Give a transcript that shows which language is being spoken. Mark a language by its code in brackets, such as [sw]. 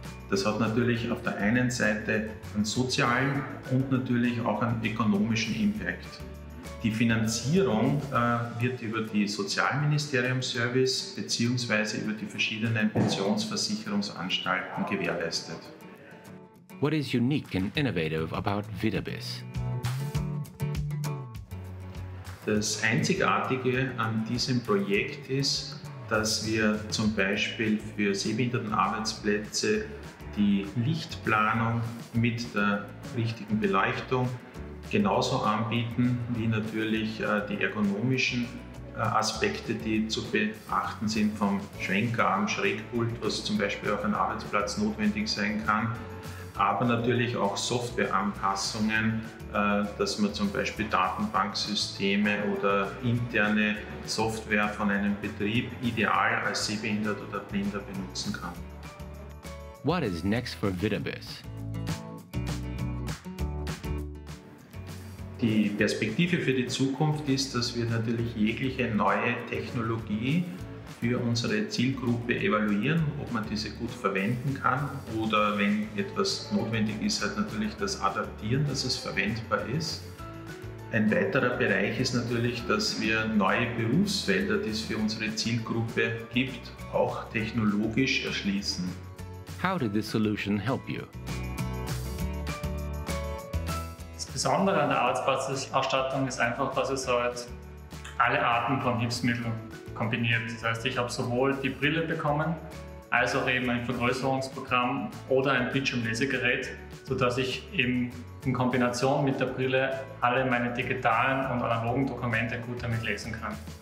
[de] Das hat natürlich auf der einen Seite einen sozialen und natürlich auch einen ökonomischen Impact. Die Finanzierung wird über die Sozialministeriumsservice bzw. über die verschiedenen Pensionsversicherungsanstalten gewährleistet. [en] What is unique and innovative about Videbis? [de] Das Einzigartige an diesem Projekt ist, dass wir zum Beispiel für Sehbehindertenarbeitsplätze die Lichtplanung mit der richtigen Beleuchtung genauso anbieten wie natürlich die ergonomischen Aspekte, die zu beachten sind, vom Schwenkarm, Schrägpult, was zum Beispiel auf einem Arbeitsplatz notwendig sein kann, aber natürlich auch Softwareanpassungen, dass man zum Beispiel Datenbanksysteme oder interne Software von einem Betrieb ideal als Sehbehindert oder Blinder benutzen kann. [en] What is next for Videbis? [de] Die Perspektive für die Zukunft ist, dass wir natürlich jegliche neue Technologie für unsere Zielgruppe evaluieren, ob man diese gut verwenden kann oder wenn etwas notwendig ist, halt natürlich das adaptieren, dass es verwendbar ist. Ein weiterer Bereich ist natürlich, dass wir neue Berufsfelder, die es für unsere Zielgruppe gibt, auch technologisch erschließen. [en] How did this solution help you? [de] Besonders an der Arbeitsplatzausstattung ist einfach, dass es halt alle Arten von Hilfsmitteln kombiniert. Das heißt, ich habe sowohl die Brille bekommen, als auch eben ein Vergrößerungsprogramm oder ein Bildschirmlesegerät, sodass ich eben in Kombination mit der Brille alle meine digitalen und analogen Dokumente gut damit lesen kann.